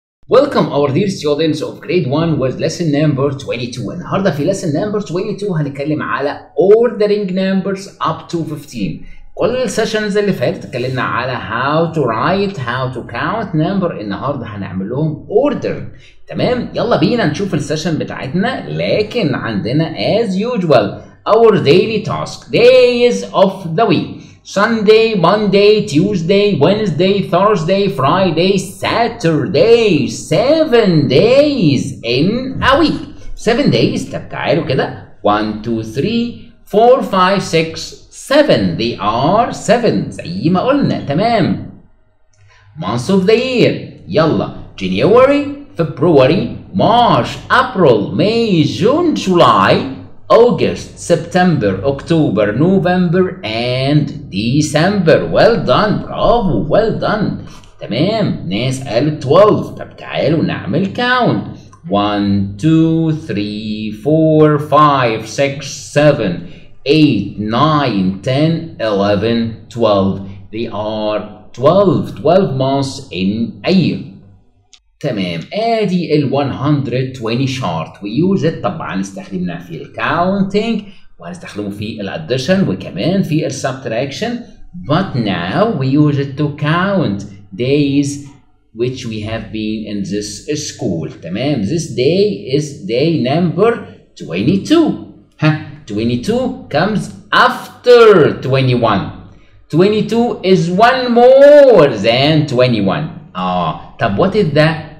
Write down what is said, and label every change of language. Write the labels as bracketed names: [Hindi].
[English] Welcome our dear students of grade 1 with lesson number 22. [Arabic] النهاردة في [English] lesson number 22 [Arabic] هنتكلم على [English] ordering numbers up to 15. [Arabic] كل السيشنز اللي فاتت اتكلمنا على [English] how to write, how to count number. [Arabic] النهاردة هنعمل لهم order. تمام؟ يلا بينا نشوف السيشن بتاعتنا. لكن عندنا [English] as usual our daily task. Days of the week. Sunday, Monday, Tuesday, Wednesday, Thursday, Friday, Saturday, 7 days in a week. 7 days, [Arabic] طب تعالوا كده. [English] 1, 2, 3, 4, 5, 6, 7. They are 7, [Arabic] زي ما قلنا, تمام. [English] Months of the year, يلا. January, February, March, April, May, June, July, August, September, October, November, and December. Well done, bravo, well done. [Arabic] تمام, ناس قالوا 12. طب تعالوا نعمل count. [English] 1, 2, 3, 4, 5, 6, 7, 8, 9, 10, 11, 12. They are 12, 12 months in a year. [Arabic] تمام, ادي ال 120 شارت. [English] we use it, [Arabic] طبعا استخدمناه في الكاونتنج وهنستخدمه في الاديشن وكمان في السبتراكشن. [English] But now we use it to count days which we have been in this school. تمام, this day is day number 22. ها, 22 comes after 21. 22 is one more than 21. طب what is that?